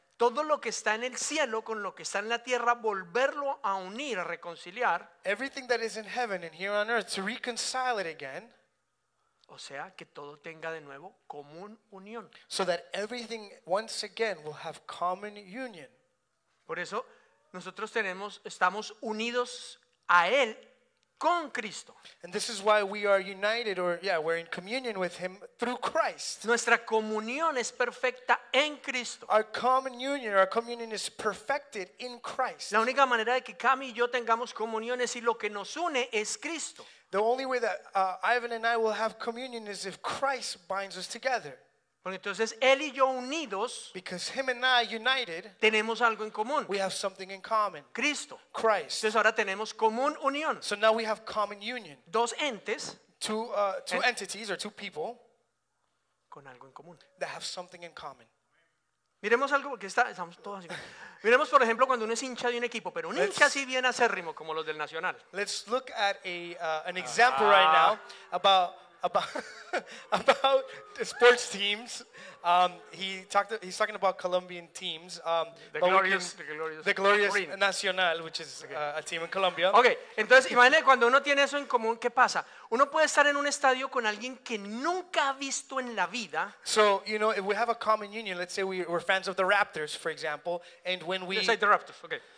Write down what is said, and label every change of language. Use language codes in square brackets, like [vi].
[es] Todo lo que está en el cielo con lo que está en la tierra, volverlo a unir, a reconciliar. [en] Everything that is in heaven and here on earth, to reconcile it again. [es] O sea, que todo tenga de nuevo común unión. [en] So that everything once again will have common union. [es] Por eso, nosotros estamos unidos a Él con Cristo. [en] And this is why we are united we're in communion with Him through Christ. [es] Nuestra comunión es perfecta en Cristo. [en] Our common union, our communion is perfected in Christ. [es] La única manera de que Cami y yo tengamos comunión es si lo que nos une es Cristo. [en] The only way that Ivan and I will have communion is if Christ binds us together. [es] Porque entonces él y yo unidos, [en] because him and I united, [es] tenemos algo en común. [en] We have something in common. [es] Cristo. [en] Christ. [es] Entonces ahora tenemos común unión. [en] So now we have common union. [es] Dos entes. [en] Two entities or two people. [es] Con algo en común. [en] That have something in common. [es] Miremos algo porque estamos todos así. Miremos por ejemplo cuando uno es hincha de un equipo, pero un hincha así bien acérrimo como los del Nacional. [en] Let's look at an example right now about about sports teams. He's talking about Colombian teams. The glorious Nacional, which is a team in Colombia. [es] Okay, entonces imagine cuando uno tiene eso en común, ¿qué pasa? Uno puede estar en un estadio con alguien que nunca ha visto en la vida. [en] So, you know, if we have a common union, let's say we're fans of the Raptors, for example, and when we... Let's say the Raptors, okay.